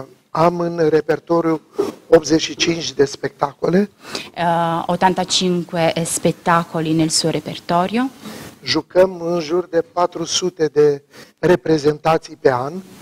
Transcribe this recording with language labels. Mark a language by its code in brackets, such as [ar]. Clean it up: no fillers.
[ro] Am în repertoriu 85 de spectacole. [it] 85 spectacoli nel suo repertorio. [ro] Jucăm în jur de 400 de reprezentații pe an.